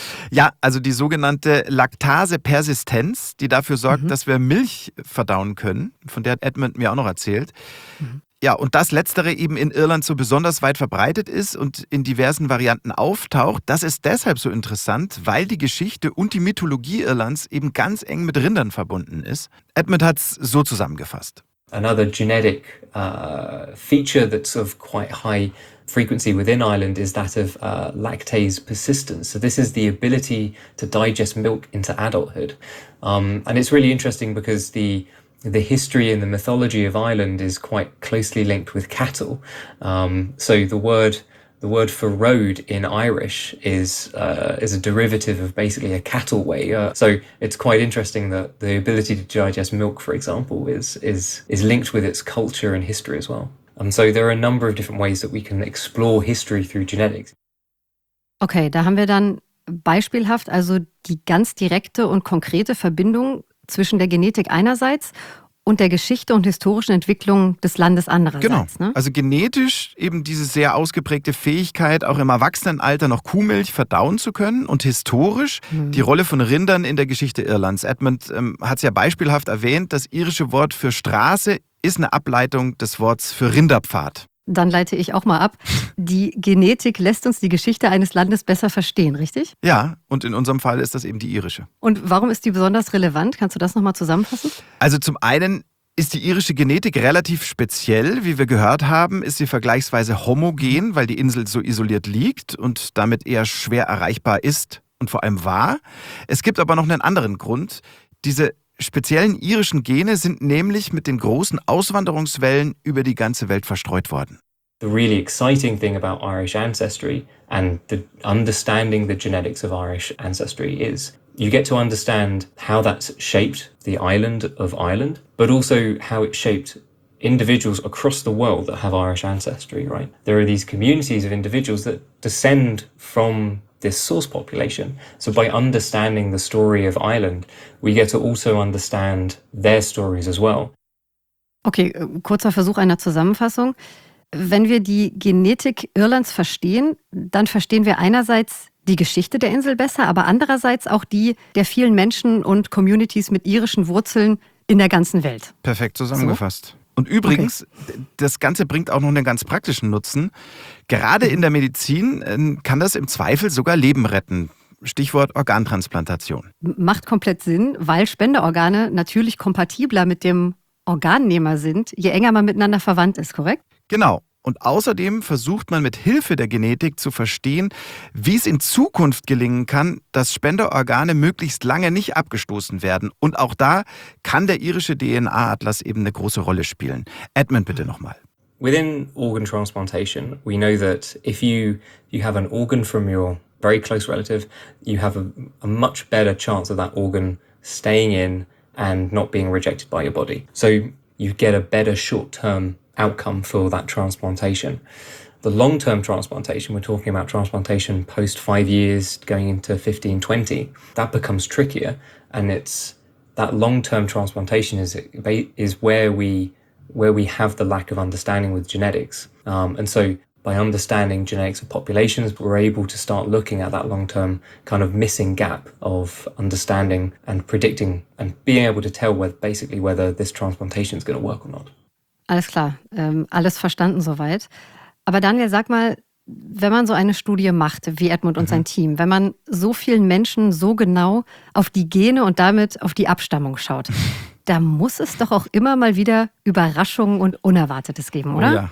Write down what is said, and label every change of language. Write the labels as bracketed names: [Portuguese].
[German] Ja, also die sogenannte Laktasepersistenz, die dafür sorgt, dass wir Milch verdauen können, von der hat Edmund mir auch noch erzählt. Ja, und das Letztere eben in Irland so besonders weit verbreitet ist und in diversen Varianten auftaucht, das ist deshalb so interessant, weil die Geschichte und die Mythologie Irlands eben ganz eng mit Rindern verbunden ist. Edmund hat es so zusammengefasst. [English] Another genetic feature that's of quite high frequency within Ireland is that of lactase persistence. So this is the ability to digest milk into adulthood. And it's really interesting because the history and the mythology of Ireland is quite closely linked with cattle. So the word for road in Irish is a derivative of basically a cattle way. So it's quite interesting that the ability to digest milk, for example, is linked with its culture and history as well. And so there are a number of different ways that we can explore history through genetics. [German] Okay, da haben wir dann beispielhaft also die ganz direkte und konkrete Verbindung zwischen der Genetik einerseits und der Geschichte und historischen Entwicklung des Landes andererseits. Genau, ne? Also genetisch eben diese sehr ausgeprägte Fähigkeit, auch im Erwachsenenalter noch Kuhmilch verdauen zu können und historisch die Rolle von Rindern in der Geschichte Irlands. Edmund hat es ja beispielhaft erwähnt, das irische Wort für Straße ist eine Ableitung des Wortes für Rinderpfad. Dann leite ich auch mal ab. Die Genetik lässt uns die Geschichte eines Landes besser verstehen, richtig? Ja, und in unserem Fall ist das eben die irische. Und warum ist die besonders relevant? Kannst du das nochmal zusammenfassen? Also zum einen ist die irische Genetik relativ speziell. Wie wir gehört haben, ist sie vergleichsweise homogen, weil die Insel so isoliert liegt und damit eher schwer erreichbar ist und vor allem war. Es gibt aber noch einen anderen Grund. Diese speziellen irischen Gene sind nämlich mit den großen Auswanderungswellen über die ganze Welt verstreut worden. [English] The really exciting thing about Irish ancestry and the understanding the genetics of Irish ancestry is you get to understand how that's shaped the island of Ireland, but also how it shaped individuals across the world that have Irish ancestry, right? There are these communities of individuals that descend from this source population. So by understanding the story of Ireland, we get to also understand their stories as well. [German] Okay, kurzer Versuch einer Zusammenfassung. Wenn wir die Genetik Irlands verstehen, dann verstehen wir einerseits die Geschichte der Insel besser, aber andererseits auch die der vielen Menschen und Communities mit irischen Wurzeln in der ganzen Welt. Perfekt zusammengefasst. So? Und übrigens, das Ganze bringt auch noch einen ganz praktischen Nutzen. Gerade in der Medizin kann das im Zweifel sogar Leben retten. Stichwort Organtransplantation. Macht komplett Sinn, weil Spenderorgane natürlich kompatibler mit dem Organnehmer sind, je enger man miteinander verwandt ist, korrekt? Genau. Und außerdem versucht man mit Hilfe der Genetik zu verstehen, wie es in Zukunft gelingen kann, dass Spenderorgane möglichst lange nicht abgestoßen werden. Und auch da kann der irische DNA-Atlas eben eine große Rolle spielen. Edmund, bitte nochmal. [English] Within organ transplantation, we know that if you have an organ from your very close relative, you have a much better chance of that organ staying in and not being rejected by your body. So you get a better short-term outcome for that transplantation. The long-term transplantation, we're talking about transplantation post 5 years going into 15, 20, that becomes trickier. And it's that long-term transplantation is where we have the lack of understanding with genetics. And so by understanding genetics of populations, we're able to start looking at that long-term kind of missing gap of understanding and predicting and being able to tell whether this transplantation is going to work or not. [German] Alles klar, alles verstanden soweit. Aber Daniel, sag mal, wenn man so eine Studie macht, wie Edmund und sein Team, wenn man so vielen Menschen so genau auf die Gene und damit auf die Abstammung schaut, da muss es doch auch immer mal wieder Überraschungen und Unerwartetes geben, oder?